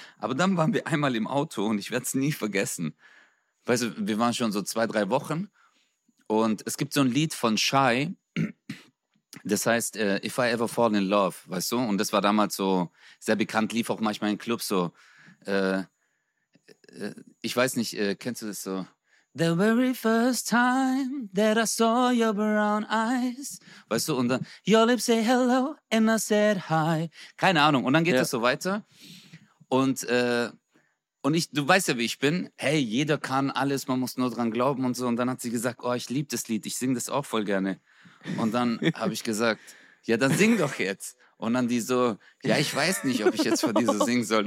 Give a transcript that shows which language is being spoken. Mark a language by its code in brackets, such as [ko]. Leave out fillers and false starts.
[de] Aber dann waren wir einmal im Auto und ich werde es nie vergessen. Weißt du, wir waren schon so 2-3 Wochen. Und es gibt so ein Lied von Shy, das heißt If I Ever Fall In Love, weißt du? Und das war damals so sehr bekannt, lief auch manchmal in Clubs so. Ich weiß nicht, kennst du das so? [en] The very first time that I saw your brown eyes. [de] Weißt du? Und dann, [en] your lips say hello and I said hi. [de] Keine Ahnung. Und dann geht das so weiter. Und ich, du weißt ja, wie ich bin. Hey, jeder kann alles, man muss nur dran glauben und so. Und dann hat sie gesagt, oh, ich liebe das Lied, ich singe das auch voll gerne. Und dann habe ich gesagt, ja, dann sing doch jetzt. Und dann die so, ja, ich weiß nicht, ob ich jetzt vor dir so singen soll.